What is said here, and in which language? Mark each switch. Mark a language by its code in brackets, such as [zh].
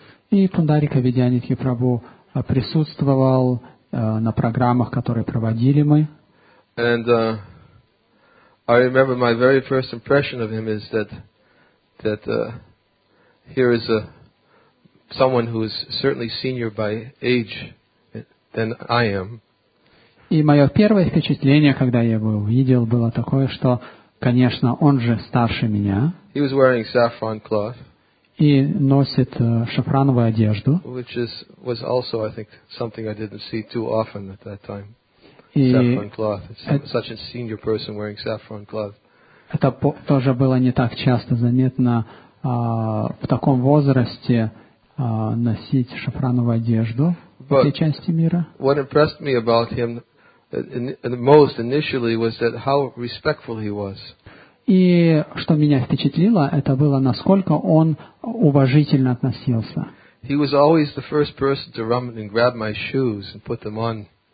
[ru] И Пундарика Видьянидхи Прабху присутствовал на программах, которые проводили мы. [en] And I remember my very first impression of him is that here is a someone who is certainly senior by age than I am. [ru] И мое первое впечатление, когда я его увидел, было такое, что конечно, он же старше меня. [en] He was wearing saffron cloth. [ru] И носит шафрановую одежду. [en] Which was also, I think, something I didn't see too often at that time. [ru] И [en] saffron cloth. Such a senior person wearing saffron cloth. [ru] Это тоже было не так часто заметно в таком возрасте носить шафрановую одежду [en] But [ru] в этой части мира. [en] What impressed me about him the most initially was that how respectful he was. [ru] И что меня впечатлило, это было, насколько он уважительно относился. [en] He was always the first person to run and grab my shoes and put them on.